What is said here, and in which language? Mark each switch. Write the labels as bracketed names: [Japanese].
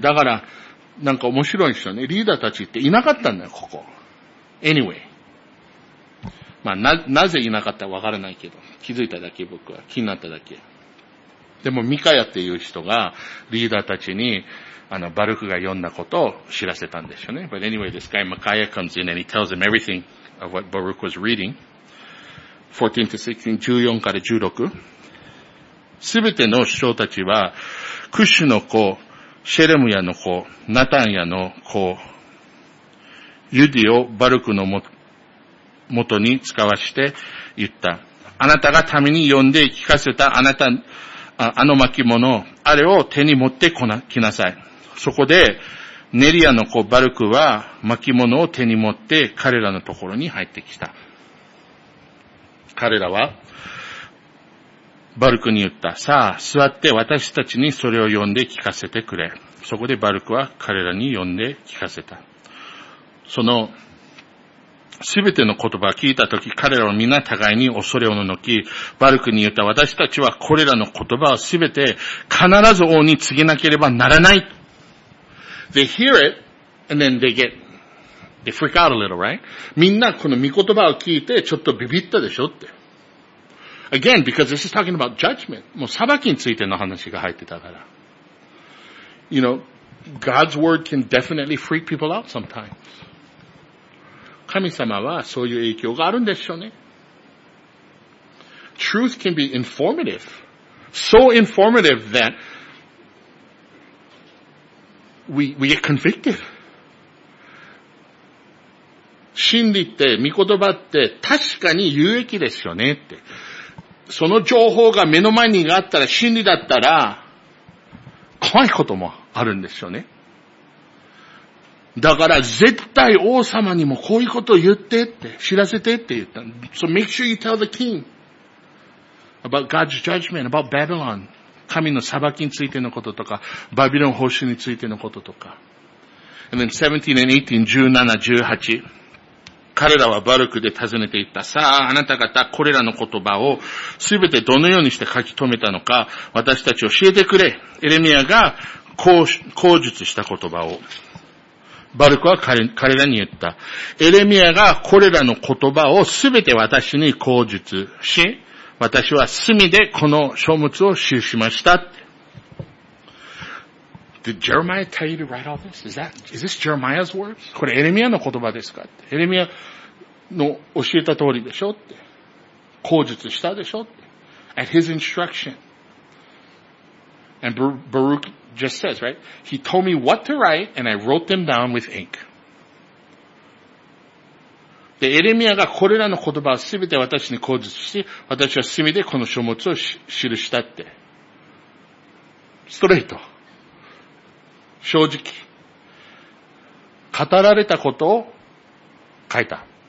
[Japanese] だから、なんか面白いでしょうね。リーダーたちっていなかったんだよ、ここ。 [English] Anyway. [Japanese] まあ、なぜいなかったかわからないけど。気づいただけ、僕は。気になっただけ。でも、ミカヤっていう人が、リーダーたちに、バルクが読んだことを知らせたんでしょうね。 [English] But anyway, this guy, Micaiah, comes in and he tells him everything of what Baruch was reading. 14-16, 14-16. [Japanese] すべての首長たちは、クシュの子、シェレムヤの子、ナタンヤの子、ユディをバルクのもとに使わして言った。あなたが民に読んで聞かせたあなた、あの巻物、あれを手に持ってきなさい。そこで、ネリアの子バルクは巻物を手に持って彼らのところに入ってきた。彼らは、バルクに言った。さあ、座って私たちにそれを読んで聞かせてくれ。そこでバルクは彼らに読んで聞かせた。その、すべての言葉を聞いたとき、彼らはみんな互いに恐れをののき、バルクに言った。私たちはこれらの言葉をすべて必ず王に告げなければならない。 [English] They hear it, and then they freak out a little, right? [Japanese] みんなこの御言葉を聞いてちょっとビビったでしょって。 [English] Again, because this is talking about judgment. [Japanese] もう裁きについての話が入ってたから。 [English] You know, God's word can definitely freak people out sometimes. [Japanese] 神様はそういう影響があるんでしょうね。 [English] Truth can be informative. So informative that We get convicted. [Japanese] 真理って、御言葉って確かに有益ですよねって。その情報が目の前にあったら、真理だったら、怖いこともあるんですよね。だから絶対王様にもこういうことを言ってって、知らせてって言った。 [English] So make sure you tell the king about God's judgment, about Babylon. [Japanese] 神の裁きについてのこととか、バビロン報酬についてのこととか。 [English] And then [Japanese] 17-18, 彼らはバルクで尋ねていった。さあ、あなた方、これらの言葉をすべてどのようにして書き留めたのか、私たち教えてくれ。エレミアが口述した言葉を。バルクは彼らに言った。エレミアがこれらの言葉をすべて私に口述し、私は炭でこの書物を記しました。 [English] Did Jeremiah tell you to write all this? Is this Jeremiah's words? [Japanese] これエレミアの言葉ですか？エレミアの教えた通りでしょって。口述したでしょって。 [English] At his instruction. And Baruch just says, right? He told me what to write and I wrote them down with ink. [Japanese] で、エレミアがこれらの言葉をすべて私に口述し、私は墨でこの書物を記したって。ストレート。正直。語られたことを書いた。